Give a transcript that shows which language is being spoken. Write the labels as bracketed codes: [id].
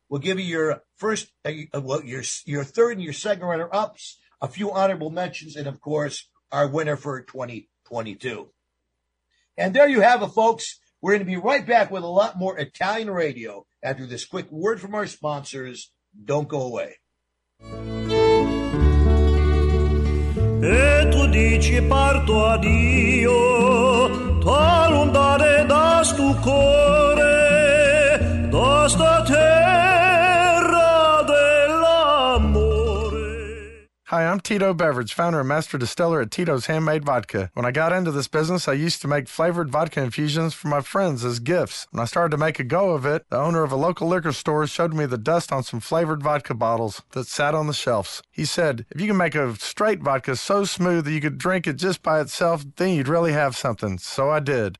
[en] We'll give you your first, your third and your second runner ups, a few honorable mentions, and of course, our winner for 2022. And there you have it, folks. We're going to be right back with a lot more Italian radio after this quick word from our sponsors. Don't go away. [nap] E tu dici parto addio, t'allontanare da stu cuore, da sta terra dell'amore. [en] Hi, I'm Tito Beveridge, founder and master distiller at Tito's Handmade Vodka. When I got into this business, I used to make flavored vodka infusions for my friends as gifts. When I started to make a go of it, the owner of a local liquor store showed me the dust on some flavored vodka bottles that sat on the shelves. He said, if you can make a straight vodka so smooth that you could drink it just by itself, then you'd really have something. So I did.